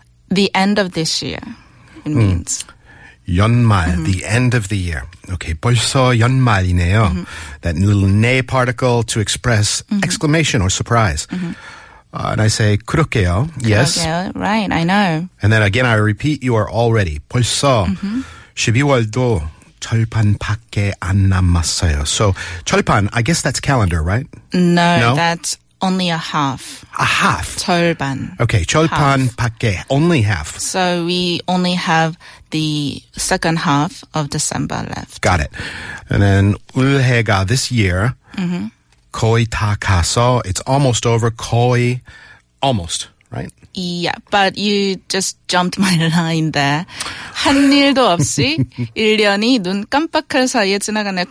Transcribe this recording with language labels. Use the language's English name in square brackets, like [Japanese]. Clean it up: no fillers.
[English] The end of this year, it means. 연말, mm-hmm. the end of the year. Okay, [Korean] 벌써 연말이네요. [English] Mm-hmm. That little 네 particle to express mm-hmm. exclamation or surprise. Mm-hmm. And I say, [Korean] 그렇게요. [English] Yes. [Korean] 그렇게요. [English] Right, I know. And then again, I repeat, you are already. [Korean] 벌써 mm-hmm. 12월도 절반밖에 안 남았어요. [English] So, 절반, I guess that's calendar, right? No, that's only a half. A half. [Korean] 절반. [English] Okay, [Korean] 절반밖에, [English] only half. So, we only have the second half of December left. Got it. And then [Korean] 올해가 [English] this year, mm-hmm. [Korean] 거의 다 가서, [English] it's almost over, 거의, almost, right? Yeah, but you just jumped my line there. [Korean] 한 일도 없이 1년이 눈 깜빡할 사이에 지나가네.